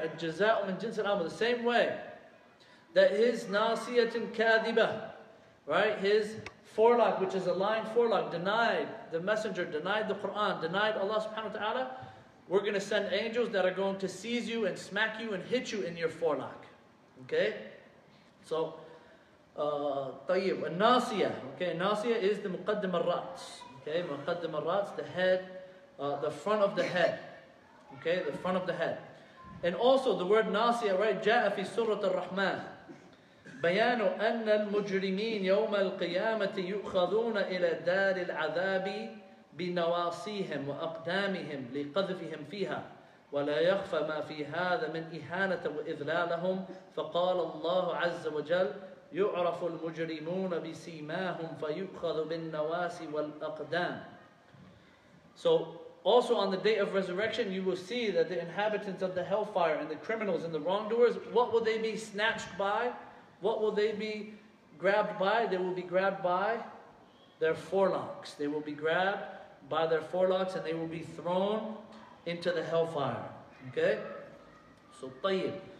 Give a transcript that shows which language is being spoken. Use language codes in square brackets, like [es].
[en] Al-jaza'u min jins al-amal. The same way that his nasiyatin kadiba, right? His forelock, which is a lying forelock, denied the messenger, denied the Quran, denied Allah subhanahu wa ta'ala, we're going to send angels that are going to seize you and smack you and hit you in your forelock. Okay? So, [ar] طيب الناسية. [en] Okay, الناسية is the [ar] مقدم الرأس. [en] Okay, مقدم الرأس, the head, the front of the head. Okay, the front of the head. And also the word [ar] ناسية, right, جاء في سورة الرحمن بيان أن المجرمين يوم القيامة يؤخذون إلى دار العذاب بنواصيهم وأقدامهم لقذفهم فيها ولا يخفى ما في هذا من إهانة وإذلالهم فقال الله عز وجل يعرف المجرمون بسيماهم فيؤخذ بالنواسي والأقدام. So [en] Also on the day of resurrection, you will see that the inhabitants of the hellfire and the criminals and the wrongdoers, what will they be snatched by? What will they be grabbed by? They will be grabbed by their forelocks. They will be grabbed by their forelocks and they will be thrown into the hellfire. Okay? So, tayyib.